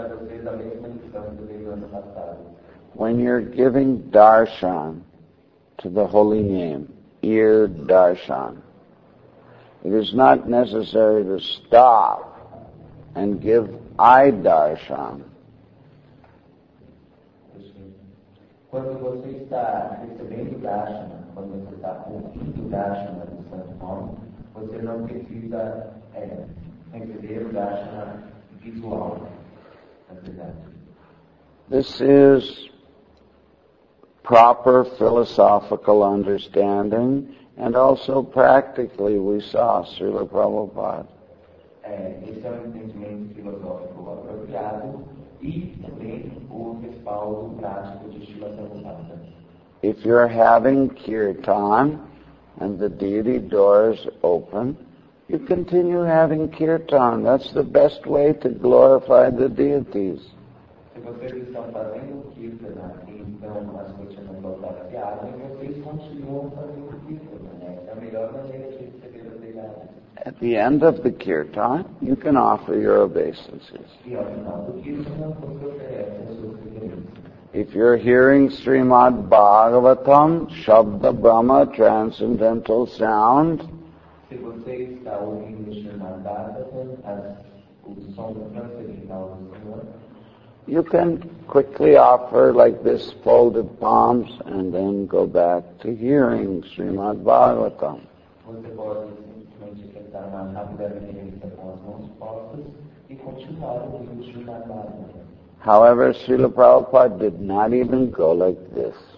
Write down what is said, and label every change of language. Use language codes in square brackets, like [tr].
[en] When you're giving darshan to the holy name, ear darshan, it is not necessary to stop and give eye darshan. [pt] Quando você está recebendo darshan, quando você está ouvindo darshan do Você não precisa entender o dasha visual, na verdade. [en] This is proper philosophical understanding, and also practically we saw Srila Prabhupada. [pt] Esse é um entendimento filosófico apropriado e também o respaldo prático de Srila Prabhupada. [en] If you're having kirtan and the deity doors open, you continue having kirtan. That's the best way to glorify the deities. [pt] Se vocês estão fazendo kirtan, então as coisas não vão estar piadas, e vocês continuam fazendo kirtan, né? É a melhor maneira de receber as deidades. [en] At the end of the kirtan, you can offer your obeisances. [pt] E ao final do kirtan, você oferece as suas reverências. [en] If you're hearing Srimad Bhagavatam, Shabda Brahma, transcendental sound, [pt] se você está ouvindo Srimad Bhagavatam, o som transcendental do Senhor, [en] you can quickly offer like this folded palms and then go back to hearing Srimad Bhagavatam. [pt] Você pode simplesmente cantar uma rápida reverência com as mãos postas e continuar ouvindo Srimad Bhagavatam. [en] However, Srila Prabhupada did not even go like this.